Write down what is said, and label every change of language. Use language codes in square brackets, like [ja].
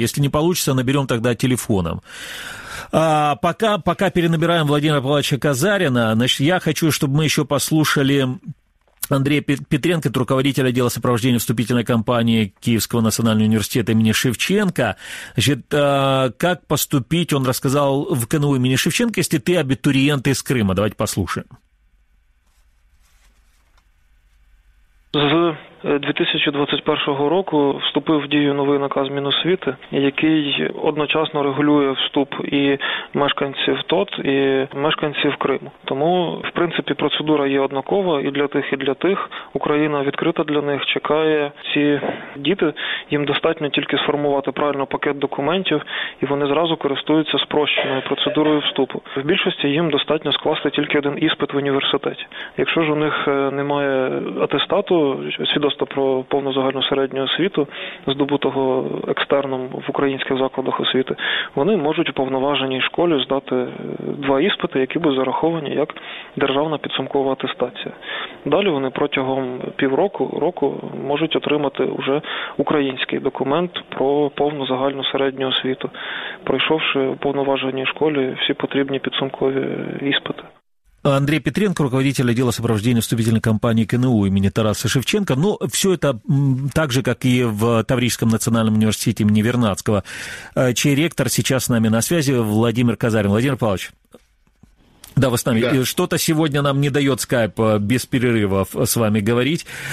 [ru] Если не получится, наберем тогда телефоном. Пока перенабираем Владимира Павловича Казарина, значит, я хочу, чтобы мы еще послушали Андрея Петренко, руководителя отдела сопровождения вступительной кампании Киевского национального университета имени Шевченко. Значит, как поступить, он рассказал в КНУ имени Шевченко, если ты абитуриент из Крыма. Давайте послушаем. [uk] З 2021 року вступив в дію новий наказ Міносвіти, який одночасно регулює вступ і мешканців ТОТ, і мешканців Криму. Тому, в принципі, процедура є однакова і для тих, і для тих. Україна відкрита для них, чекає ці діти. Їм достатньо тільки сформувати правильно пакет документів, і вони зразу користуються спрощеною процедурою вступу. В більшості їм достатньо скласти тільки один іспит в університеті. Якщо ж у них немає атестату, свідоцтва, просто про повну загальну середню освіту, здобутого екстерном в українських закладах освіти, вони можуть у повноваженій школі здати два іспити, які будуть зараховані як державна підсумкова атестація. Далі вони протягом півроку, року можуть отримати вже український документ про повну загальну середню освіту, пройшовши у повноваженій школі всі потрібні підсумкові іспити. [ru] Андрей Петренко, руководитель отдела сопровождения вступительной кампании КНУ имени Тараса Шевченко. Ну, все это так же, как и в Таврическом национальном университете имени Вернадского, чей ректор сейчас с нами на связи, Владимир Казарин. Владимир Павлович, да, вы с нами. Да. Что-то сегодня нам не дает скайп без перерывов с вами говорить.